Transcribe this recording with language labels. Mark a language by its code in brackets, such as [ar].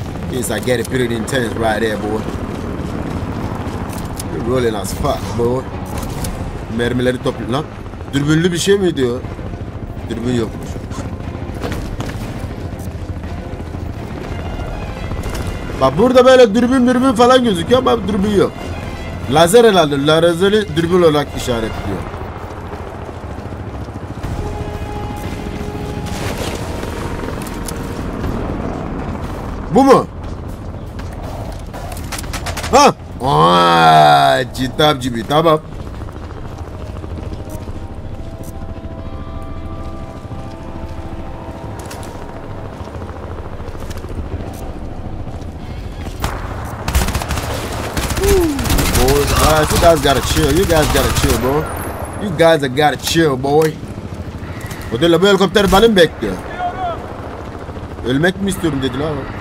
[en] Yes, I get it pretty intense right there, boy. You're rolling as fuck, boy. [tr] Mermileri topla lan. Dürbünlü bir şey miydi o? Dürbün yok. Bak burada böyle dürbün dürbün falan gözüküyor ama dürbün yok. Lazer herhalde. Lazeri dürbün olarak işaretliyor. Bu mu? Ha! Cidap gibi. Tamam. [en] You guys gotta chill. You guys gotta chill, bro. You guys have gotta chill, boy. [tr] O da bu helikopter bana mı bekliyor? Ölmek mi istiyorum dedi lan.